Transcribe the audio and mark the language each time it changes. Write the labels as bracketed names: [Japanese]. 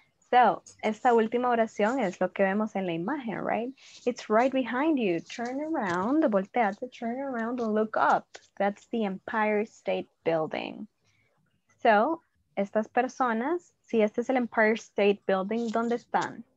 [Spanish] So, esta última oración es lo que vemos en la imagen, right? [English] It's right behind you. Turn around, volteate, turn around and look up. That's the Empire State Building. [Spanish] So, estas personas, si este es el Empire State Building, ¿dónde están?